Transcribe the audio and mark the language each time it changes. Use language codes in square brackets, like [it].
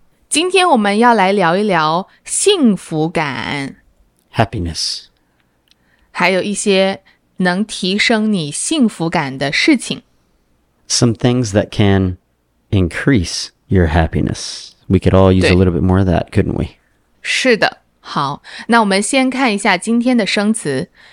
[zh] 今天我们要来聊一聊幸福感。 [en] Happiness. [zh] 还有一些能提升你幸福感的事情。 [en] Some things that can increase your happiness. We could all use a little bit more of that, couldn't we? [zh] 是的。好，那我们先看一下今天的生词。